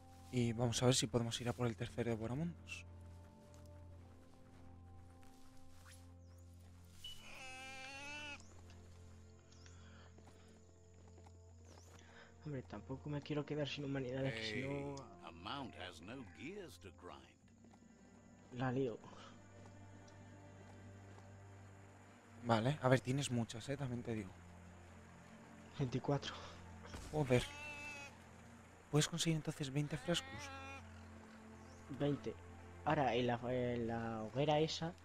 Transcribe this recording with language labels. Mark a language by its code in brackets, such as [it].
[es] Y vamos a ver si podemos ir a por el tercer Devoramundos. Hombre, tampoco me quiero quedar sin humanidades, que si no... [en] A mount has no gears to grind. [es] La lío. Vale, a ver, tienes muchas, también te digo. 24. Joder. ¿Puedes conseguir entonces 20 frascos? 20. Ahora, en la hoguera esa,